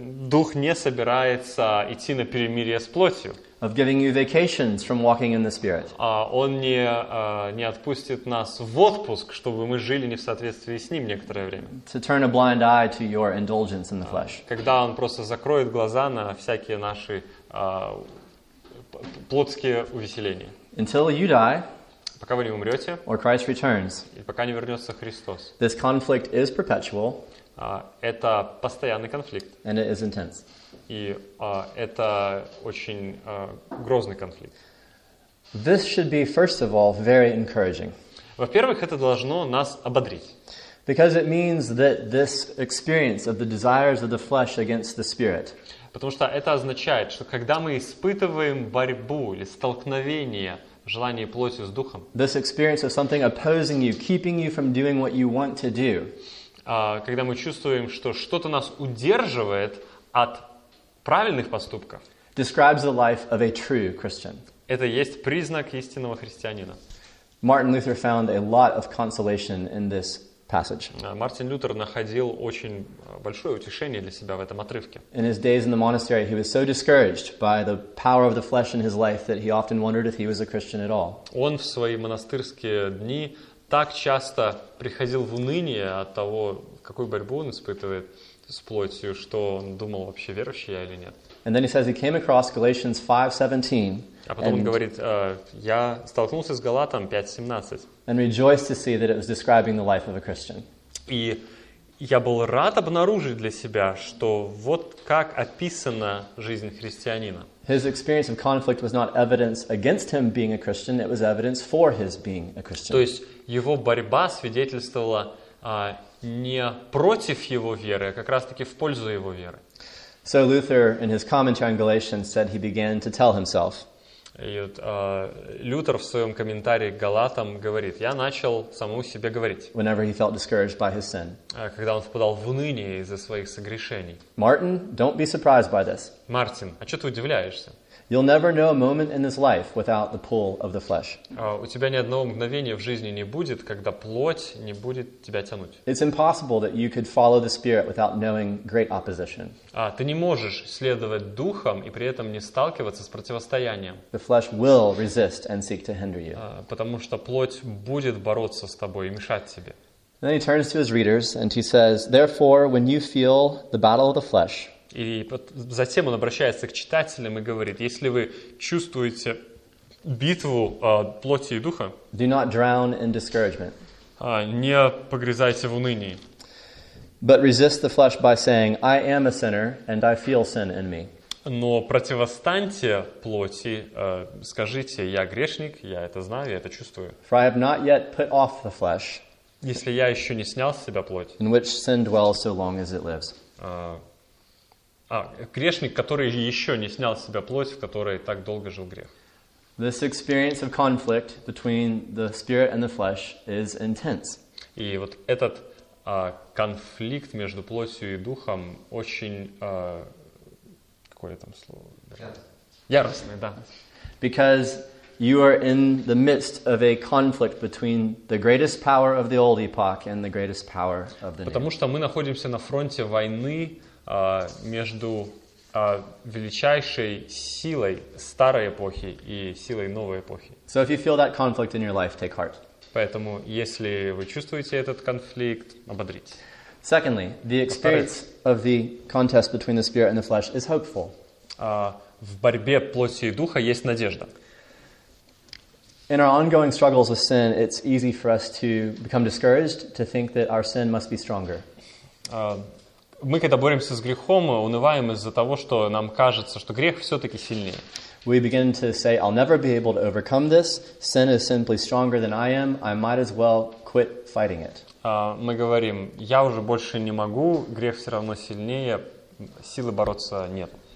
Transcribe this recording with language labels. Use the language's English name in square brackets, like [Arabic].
[Russian] Дух не собирается идти на перемирие с плотью. [English] Of giving you vacations from walking in the Spirit. [Russian] Он не отпустит нас в отпуск, чтобы мы жили не в соответствии с Ним некоторое время. [English] To turn a blind eye to your indulgence in the flesh. [Russian] Когда Он просто закроет глаза на всякие наши плотские увеселения. [English] Until you die. [Russian] Пока вы не умрете. [English] Or Christ returns. [Russian] И пока не вернется Христос. [English] This conflict is perpetual. [Russian] Это постоянный конфликт. [English] And it is intense. [Russian] И это очень грозный конфликт. [English] This should be, first of all, very encouraging. [Russian] Во-первых, это должно нас ободрить. [English] Because it means that this experience of the desires of the flesh against the Spirit. [Russian] Потому что это означает, что когда мы испытываем борьбу или столкновение желаний плоти с духом. [English] This experience of something opposing you, keeping you from doing what you want to do. [Russian] Когда мы чувствуем, что что-то нас удерживает от правильных поступков. [English] Describes the life of a true Christian. [Russian] Это есть признак истинного христианина. [English] Martin Luther found a lot of consolation in this passage. [Russian] Мартин Лютер находил очень большое утешение для себя в этом отрывке. [English] In his days in the monastery, he was so discouraged by the power of the flesh in his life that he often wondered if he was a Christian at all. [Russian] Он в свои монастырские дни так часто приходил в уныние от того, какую борьбу он испытывает с плотью, что он думал, вообще верующий я или нет. [English] And then he says he came across Galatians 5:17. [Russian] А потом он говорит, я столкнулся с Галатом 5:17. [English] And rejoiced to see that it was describing the life of a Christian. [Russian] И я был рад обнаружить для себя, что вот как описана жизнь христианина. [English] His experience of conflict was not evidence against him being a Christian, it was evidence for his being a Christian. [Russian] То есть его борьба свидетельствовала не против его веры, а как раз-таки в пользу его веры. [English] So Luther, in his commentary on Galatians, said he began to tell himself. [Russian] И вот Лютер в своем комментарии к Галатам говорит, я начал самому себе говорить. [English] Whenever he felt discouraged by his sin. [Russian] Когда он впадал в уныние из-за своих согрешений. [English] Martin, don't be surprised by this. [Russian] Мартин, а что ты удивляешься? [English] You'll never know a moment in this life without the pull of the flesh. [Russian] У тебя ни одного мгновения в жизни не будет, когда плоть не будет тебя тянуть. [English] It's impossible that you could follow the Spirit without knowing great opposition. [Russian] Ты не можешь следовать духом и при этом не сталкиваться с противостоянием. [English] The flesh will resist and seek to hinder you. [Russian] Потому что плоть будет бороться с тобой и мешать тебе. [English] Then he turns to his readers and he says, "Therefore, when you feel the battle of the flesh." [Russian] И затем он обращается к читателям и говорит, если вы чувствуете битву плоти и духа, [English] do not drown in discouragement. [Russian] Не погрязайте в унынии. [English] But resist the flesh by saying, I am a sinner and I feel sin in me. [Russian] Но противостаньте плоти, скажите, я грешник, я это знаю, я это чувствую. [English] For I have not yet put off the flesh, [Russian] если я еще не снял с себя плоть, [English] in which sin dwells so long as it lives. [Russian] Грешник, который еще не снял с себя плоть, в которой так долго жил грех. [English] This experience of conflict between the spirit and the flesh is intense. [Russian] И вот этот конфликт между плотью и духом очень какое там слово? Яростный, да. [English] Because you are in the midst of a conflict between the greatest power of the old epoch and the greatest power of the new. [Russian] Потому что мы находимся на фронте войны между величайшей силой старой эпохи и силой новой эпохи. [English] So if you feel that conflict in your life, take heart. [Russian] Поэтому, если вы чувствуете этот конфликт, ободритесь. [English] Secondly, the experience of the contest between the spirit and the flesh is hopeful. [Russian] В борьбе плоти и духа есть надежда. [English] In our ongoing struggles with sin, it's easy for us to become discouraged, to think that our sin must be stronger. [Russian] Мы когда боремся с грехом, унываем из-за того, что нам кажется, что грех все-таки сильнее. [English] We begin to say, I'll never be able to overcome this. Sin is simply stronger than I am. I might as well quit fighting it. [Russian] Мы говорим, я уже больше не могу, грех все равно сильнее, силы бороться нет.